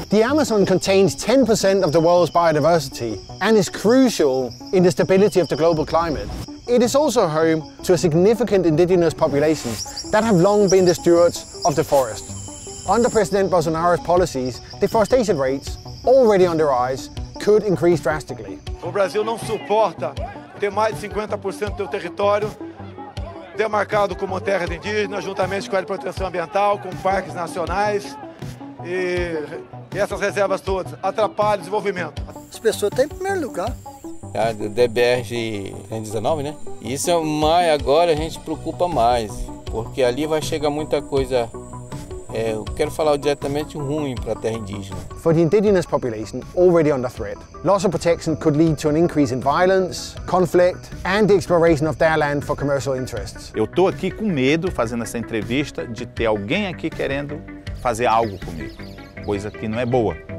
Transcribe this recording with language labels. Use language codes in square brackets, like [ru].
[en] The Amazon contains 10% of the world's biodiversity and is crucial in the stability of the global climate. It is also home to a significant indigenous population that have long been the stewards of the forest. Under President Bolsonaro's policies, deforestation rates, already on the rise, could increase drastically. [pt] O Brasil não suporta ter mais de 50% do seu território demarcado como terra de indígena, juntamente com a proteção ambiental, com parques nacionais e essas reservas todas atrapalham o desenvolvimento. As pessoas têm em primeiro lugar. A DBR de 2019, né? Isso é mais, agora a gente preocupa mais, porque ali vai chegar muita coisa. Eu quero falar diretamente ruim para a terra indígena. [en] For the indigenous population already under threat, loss of protection could lead to an increase in violence, conflict, and the exploration of their land for commercial interests. [pt] Eu estou aqui com medo, fazendo essa entrevista, de ter alguém aqui querendo fazer algo comigo, coisa que não é boa.